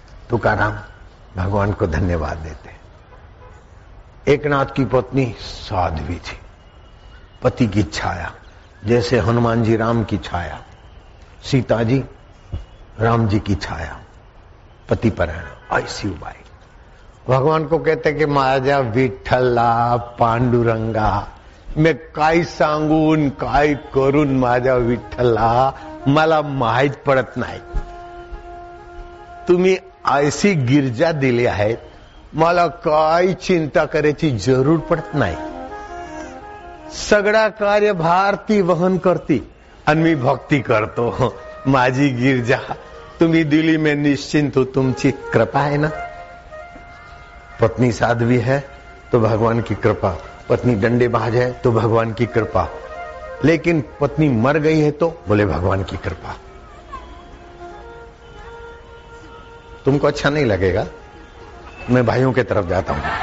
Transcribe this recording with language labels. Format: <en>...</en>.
<hi>तुकाराम भगवान को धन्यवाद देते। एकनाथ की पत्नी साध्वी थी, पति की छाया, जैसे हनुमान जी राम की छाया, सीता जी राम जी की छाया, पति परायण ऐसी उबाई।</hi> <mr>भगवान को कहते कि माजा विठला पांडुरंगा, मैं काई सांगून काई करून माजा विठला, मला माहित पड़त नाही, तुम्ही ऐसी गिरजा दिली आहेत, मला काही चिंता करायची जरूर पडत नाही, सगळा कार्यभार ती वहन करती आणि मी भक्ती करतो, माझी गिरजा तुम्ही दिली मी निश्चिंत हो, तुमची कृपा आहे ना।</mr> <hi>पत्नी साध्वी है तो भगवान की कृपा, पत्नी दंडेबाज है तो भगवान की कृपा, लेकिन पत्नी मर गई है तो बोले भगवान की कृपा। तुमको अच्छा नहीं लगेगा, मैं भाइयों के तरफ जाता हूं।</hi>